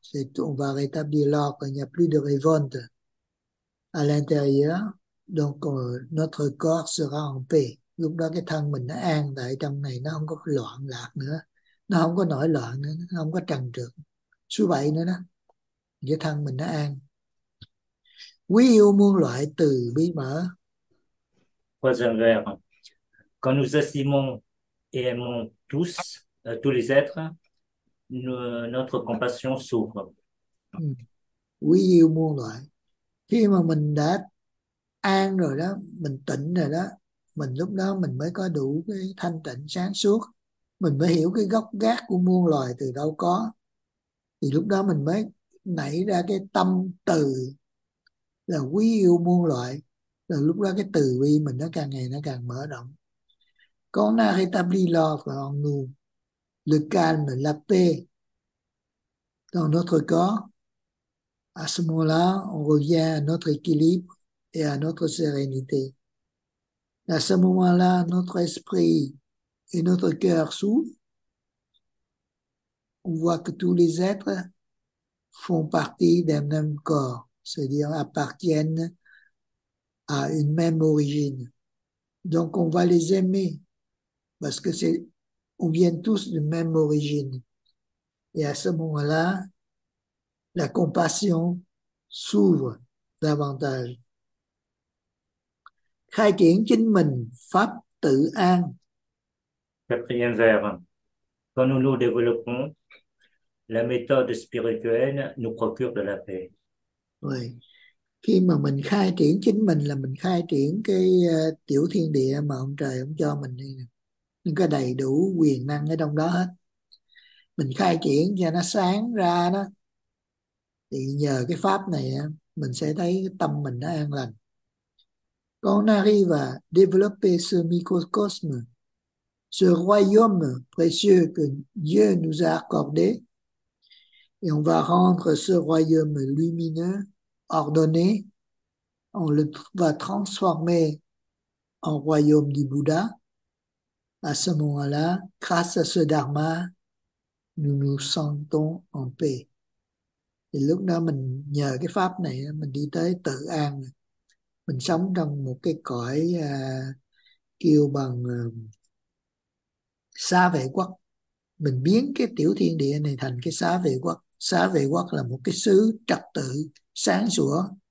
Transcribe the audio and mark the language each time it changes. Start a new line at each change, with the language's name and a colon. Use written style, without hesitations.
French: C'est, on va rétablir l'ordre, il n'y a plus de révolte à l'intérieur, donc notre corps sera en paix.
Vietnamese: Lúc đó cái thân mình nó an tại trong này, nó không có loạn lạc nữa, nó không có nổi loạn nữa, nó không có trần trược số bảy nữa đó, cái thân mình nó an. Quý yêu muôn loại từ bi mở.
French: Troisième vers. Quand nous estimons et aimons tous tous les êtres, notre compassion s'ouvre.
Vietnamese: Quý yêu muôn loại. Khi mà mình đã an rồi đó, mình tỉnh rồi đó, mình lúc đó mình mới có đủ cái thanh tịnh sáng suốt, mình mới hiểu cái gốc gác của muôn loài từ đâu có, thì lúc đó mình mới nảy ra cái tâm từ là quý yêu muôn loài, rồi lúc đó cái từ bi mình nó càng ngày nó càng mở rộng.
French: Con a rétabli l'ordre en nous, le calme, la paix dans notre corps. À ce moment-là, on revient à notre équilibre et à notre sérénité. À ce moment-là, notre esprit et notre cœur s'ouvrent. On voit que tous les êtres font partie d'un même corps, c'est-à-dire appartiennent à une même origine. Donc, on va les aimer parce que c'est, on vient tous d'une même origine. Et à ce moment-là, la compassion s'ouvre davantage.
Vietnamese: Khai triển chính mình, pháp tự an.
French: Quatrième vers. Quand nous nous développons, la méthode spirituelle nous procure de la paix. Oui.
Vietnamese: Khi mà mình khai triển chính mình là mình khai triển cái tiểu thiên địa mà ông trời ông cho mình đi. Nó có đầy đủ quyền năng ở trong đó hết. Mình khai triển cho nó sáng ra đó. Thì nhờ cái pháp này mình sẽ thấy tâm mình nó an lành.
French: Qu'on arrive à développer ce microcosme, ce royaume précieux que Dieu nous a accordé, et on va rendre ce royaume lumineux, ordonné, on le va transformer en royaume du Bouddha. À ce moment-là, grâce à ce dharma, nous nous sentons en paix. Et
Vietnamese: lúc đó mình nhờ cái pháp này, mình đi tới tự an. Mình sống trong một cái cõi kêu bằng xá vệ quốc. Mình biến cái tiểu thiên địa này thành cái xá vệ quốc. Xá vệ quốc là một cái xứ trật tự, sáng sủa.